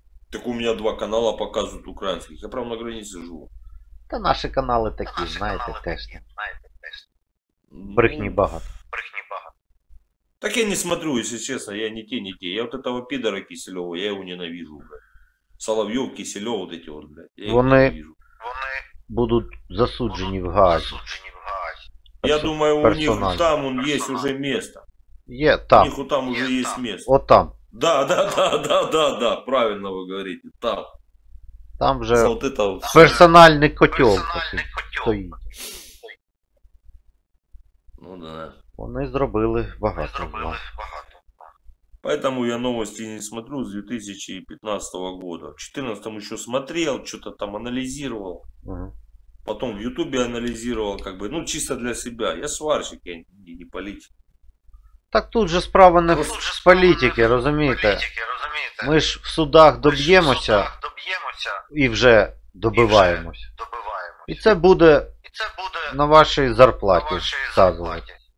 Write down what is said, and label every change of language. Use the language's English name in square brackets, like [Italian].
[Russian] Так у меня два канала показывают украинских. Я прямо на границе живу. Та наши каналы такие, знаете, тесно. [Ukrainian] Брехни багато. [Russian] Так я не смотрю, если честно, я не те. Я вот этого пидора Киселева, я его ненавижу, блядь. Соловьев, Киселев, вот эти вот, блядь. [Ukrainian] Вони будут засуджені в Гаазі. [Russian] Я думаю, у них там он есть уже место. [Ukrainian] Є, там. [Russian] У них там уже есть место. Вот там. Да, правильно вы говорите, там. Там же вот это вот персональный котел стоит. Ну да. Они сделали багато. Поэтому я новости не смотрю с 2015 года. В 2014 еще смотрел, что-то там анализировал. Угу. Потом в Ютубе анализировал, как бы, ну чисто для себя. Я сварщик, я не политик. [Ukrainian] Так тут же справа не в політиці, розумієте? Ми ж в судах доб'ємося і вже добиваємося. І це буде на вашій зарплаті сказувати.